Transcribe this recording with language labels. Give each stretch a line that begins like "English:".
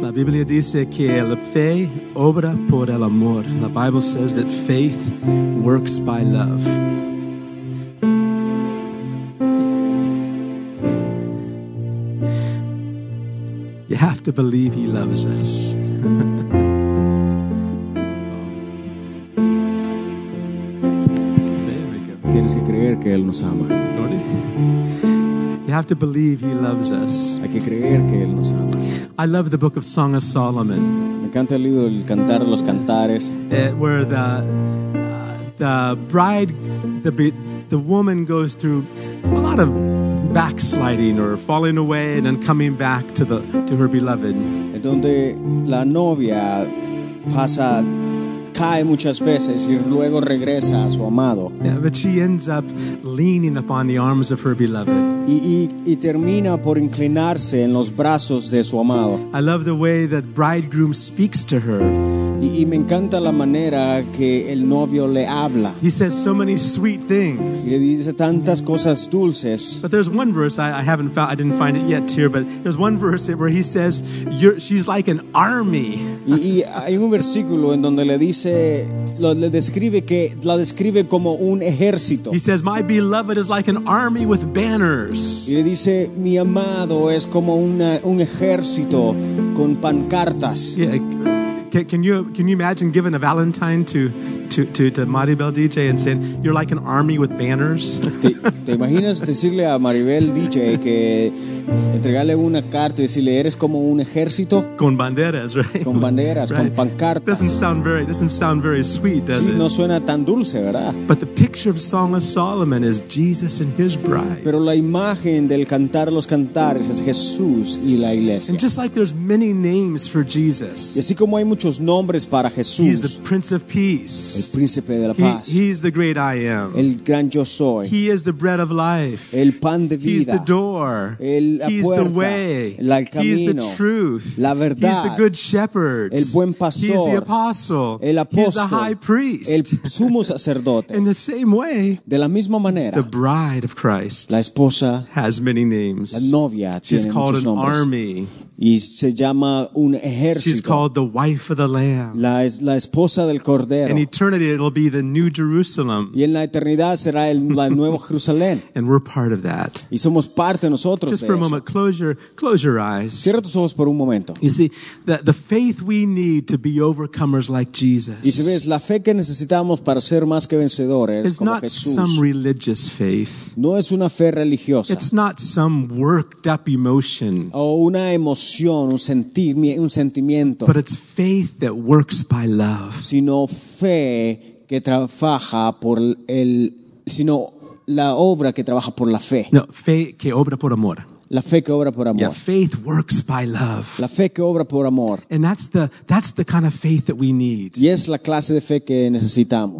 Spanish: La Biblia dice que la fe obra por el amor.
English: The Bible says that faith works by love. You have to believe He loves us.
Spanish: Tienes que creer que Él nos ama.
English: You have to believe He loves us.
Spanish: Hay que creer que Él nos ama.
English: I love the book of Song of Solomon.
Spanish: Me encanta el libro El Cantar de los Cantares.
English: Where the woman goes through a lot of backsliding or falling away and then coming back to her beloved.
Spanish: Donde la novia pasa, cae muchas veces y luego regresa a su amado.
English: Yeah, but she ends up leaning upon the arms of her beloved.
Spanish: Y termina por inclinarse en los brazos de su amado.
English: I love the way that bridegroom speaks to her.
Spanish: Y me encanta la manera que el novio le habla.
English: He says so many sweet things.
Spanish: Y le dice tantas cosas dulces.
English: But there's one verse I didn't find it yet here, but there's one verse where he says she's like an army.
Spanish: Y hay un versículo en donde le dice, la describe como un ejército.
English: He says, "My beloved is like an army with banners."
Spanish: Y le dice, "Mi amado es como un ejército con pancartas."
English: Yeah. Can you imagine giving a Valentine to Maribel DJ and saying you're like an army with banners?
Spanish: ¿Te imaginas decirle a Maribel DJ que entregarle una carta y decirle eres como un ejército con banderas,
English: right?
Spanish: Con banderas,
English: right.
Spanish: Con pancartas.
English: Doesn't sound very sweet, does
Spanish: sí,
English: it?
Spanish: No suena tan dulce, ¿verdad?
English: But the picture of Song of Solomon is Jesus and His bride.
Spanish: Pero la imagen del Cantar de los Cantares es Jesús y la iglesia.
English: And just like there's many names for Jesus.
Spanish: Y así como hay muchos nombres para Jesús.
English: He's the Prince of Peace.
Spanish: El Príncipe de la Paz.
English: He's the Great I Am.
Spanish: El Gran Yo Soy.
English: He is the Bread of Life.
Spanish: El Pan de Vida.
English: He's the Door. He's the Way.
Spanish: El Camino.
English: He's the Truth.
Spanish: La Verdad.
English: He's the Good Shepherd.
Spanish: El Buen Pastor.
English: He's the Apostle.
Spanish: El Apóstol.
English: He's the High Priest.
Spanish: El Sumo Sacerdote.
English: In the same way,
Spanish: de la misma manera,
English: the Bride of Christ,
Spanish: la Esposa,
English: has many names.
Spanish: La Novia tiene muchos nombres.
English: She's called an Army.
Spanish: Y se llama un ejército.
English: She's called the wife of the Lamb.
Spanish: La esposa del Cordero.
English: In eternity it'll be the new Jerusalem.
Spanish: Y en la eternidad será la nueva Jerusalén.
English: And we're part of that.
Spanish: Y somos parte nosotros.
English: Just for a moment, close your eyes.
Spanish: Cierra tus ojos por un momento.
English: You see, the faith we need to be overcomers like Jesus.
Spanish: Y si ves, la fe que necesitamos para ser más que vencedores como Jesús.
English: Not some religious faith.
Spanish: No es una fe religiosa.
English: It's not some worked up emotion.
Spanish: O una emoción. Un sentimiento,
English: but it's faith that works by love.
Spanish: Sino fe que trabaja por el, sino la obra que trabaja por la fe. No, fe que obra por amor. La fe que obra por amor.
English: Yeah, faith works by love.
Spanish: La fe que obra por amor.
English: And that's the kind of faith that we need.
Spanish: Y es la clase de fe que necesitamos.